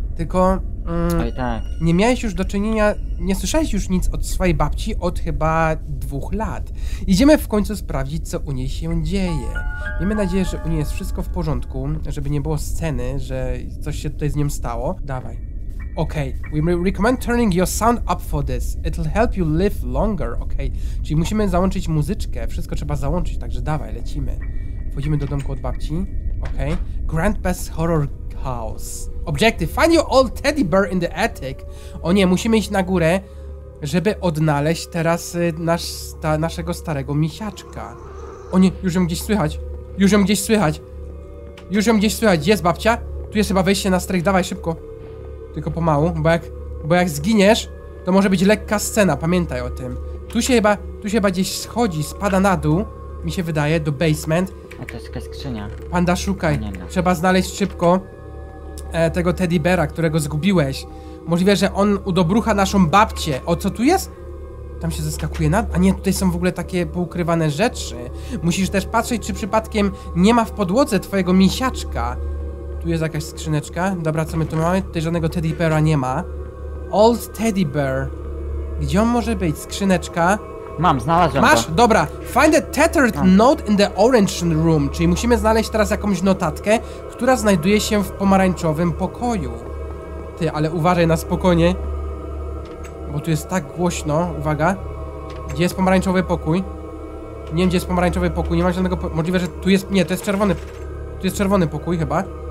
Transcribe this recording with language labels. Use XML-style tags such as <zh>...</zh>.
<pl>Tylko... Oj tak. Nie miałeś już do czynienia, nie słyszałeś już nic od swojej babci od chyba 2 lat. Idziemy w końcu sprawdzić, co u niej się dzieje. Miejmy nadzieję, że u niej jest wszystko w porządku, żeby nie było sceny, że coś się tutaj z nią stało. Dawaj. Okej, okay.</pl> <en>We recommend turning your sound up for this. It'll help you live longer, okej. Okay.</en> <pl>Czyli musimy załączyć muzyczkę, wszystko trzeba załączyć, także dawaj, lecimy. Wchodzimy do domku od babci, okej.</pl> <en>Okay. Grandpa's Horror House. Objective, find your old teddy bear in the attic.</en> <pl>O nie, musimy iść na górę, żeby odnaleźć teraz naszego starego misiaczka. O nie, już ją gdzieś słychać. Już ją gdzieś słychać. Już ją gdzieś słychać, jest babcia? Tu jest chyba wejście na strych, dawaj szybko. Tylko pomału, bo jak zginiesz, to może być lekka scena, pamiętaj o tym. Tu się chyba gdzieś schodzi, spada na dół, mi się wydaje, do basement. A to jest jakaś skrzynia. Panda, szukaj, nie, no. Trzeba znaleźć szybko tego teddy beara, którego zgubiłeś. Możliwe, że on udobrucha naszą babcię. O, co tu jest? Tam się zeskakuje na... A nie, tutaj są w ogóle takie poukrywane rzeczy. Musisz też patrzeć, czy przypadkiem nie ma w podłodze twojego misiaczka. Tu jest jakaś skrzyneczka. Dobra, co my tu mamy? Tutaj żadnego teddy beara nie ma.</pl> <en>Old teddy bear.</en> <pl>Gdzie on może być? Skrzyneczka. Mam, znalazłem. Masz? Dobra.</pl> <en>Find a tattered note in the orange room.</en> <pl>Czyli musimy znaleźć teraz jakąś notatkę, która znajduje się w pomarańczowym pokoju. Ty, ale uważaj na spokojnie. Bo tu jest tak głośno. Uwaga. Gdzie jest pomarańczowy pokój? Nie wiem, gdzie jest pomarańczowy pokój. Nie mam żadnego... Możliwe, że tu jest... Nie, to jest czerwony. Tu jest czerwony pokój chyba.</pl>